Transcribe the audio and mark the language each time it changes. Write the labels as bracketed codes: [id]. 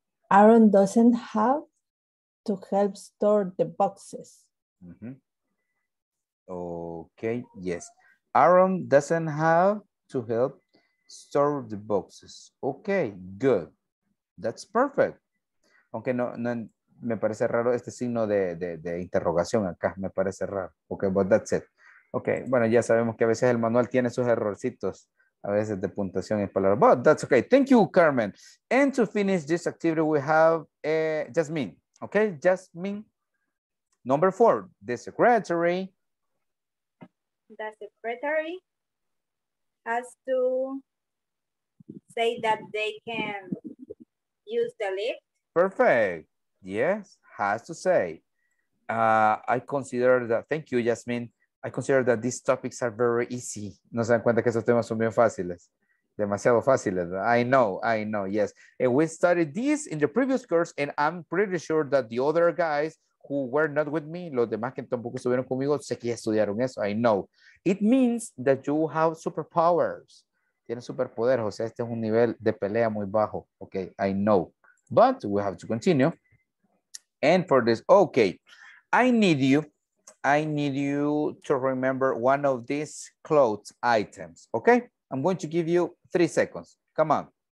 [en] Aaron doesn't have to help store the boxes. Mm-hmm. Okay, yes. Aaron doesn't have to help store the boxes. Okay, good. That's perfect. Okay, no, no. [es] Me parece raro este signo de interrogación acá. Me parece raro. [en] Okay, but that's it. [es] Okay, bueno, ya sabemos que a veces el manual tiene sus errorcitos. A veces de puntuación y palabras. [en] But that's okay. Thank you, Carmen. And to finish this activity, we have Jasmine. Okay, Jasmine. Number four, the secretary. The secretary has to help store the boxes. Say that they can use the lift. Perfect. Yes, has to say. I consider that, thank you, Jasmine. I consider that these topics are very easy. [es] No se dan cuenta que esos temas son bien fáciles. Demasiado fáciles. [en] I know, yes. And we studied this in the previous course, and I'm pretty sure that the other guys who were not with me, [es] los demás que tampoco estuvieron conmigo, sé que estudiaron eso. [en] I know. It means that you have superpowers. [es] Tienen superpoder, o sea, este es un nivel de pelea muy bajo. [en] Okay, I know. But we have to continue. And for this, okay, I need you to remember one of these clothes items, okay? I'm going to give you 3 seconds. Come on.